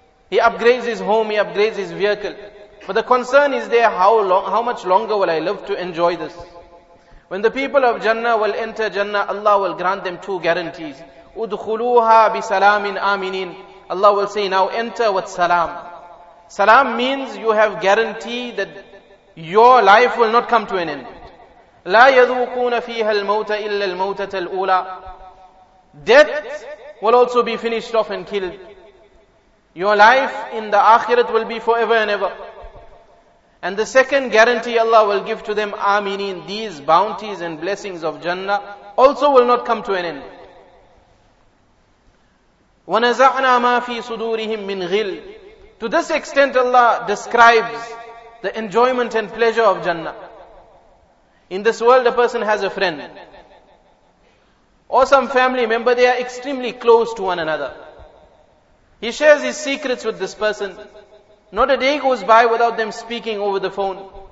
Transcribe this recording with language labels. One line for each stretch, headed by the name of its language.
English: He upgrades his home, he upgrades his vehicle. But the concern is there, how much longer will I live to enjoy this? When the people of Jannah will enter Jannah, Allah will grant them two guarantees.
Arabic: Udkhuluha bisalamin aminin.
English: Allah will say, now enter with salam. Salam means you have guarantee that your life will not come to an end.
Arabic: لا يذوقون فيها الموت إلا الموتة الأولى.
English: Death will also be finished off and killed. Your life in the akhirat will be forever and ever. And the second guarantee Allah will give to them, آمينين, these bounties and blessings of Jannah also will not come to an end.
Arabic: ونزعنا ما في صدورهم من غل.
English: To this extent Allah describes the enjoyment and pleasure of Jannah. In this world a person has a friend or some family member, they are extremely close to one another. He shares his secrets with this person. Not a day goes by without them speaking over the phone.